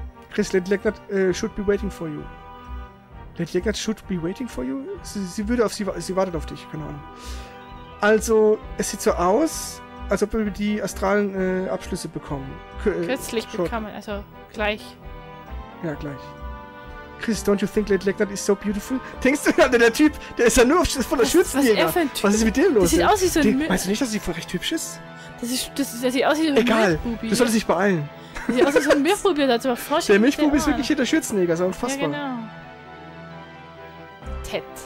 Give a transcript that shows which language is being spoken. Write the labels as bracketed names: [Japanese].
[English] Chris, Lady Legnat should be waiting for you. Lady Legnat should be waiting for you? [German] Sie würde auf sie wartet auf dich, keine Ahnung. Also, es sieht so aus, als ob wir die astralen Abschlüsse bekommen. Kürzlich bekommen, also gleich. Ja, gleich. [English] Chris, don't you think Lady Legnat is so beautiful? [German] Denkst du, der Typ, der ist ja nur voller Schürzenjäger. Was ist er für ein Typ? Was ist mit dem los? Das sieht aus wie so ein Müll. Weißt du nicht, dass sie voll recht hübsch ist? Das sieht aus wie so ein Müll. Egal, du solltest dich beeilen. Das sieht aus wie so ein Milchbubi, da hat's aber vorstellen. Der Milchbubi ist wirklich hier der Schürzenjäger, so unfassbar. Ja, genau. Ted.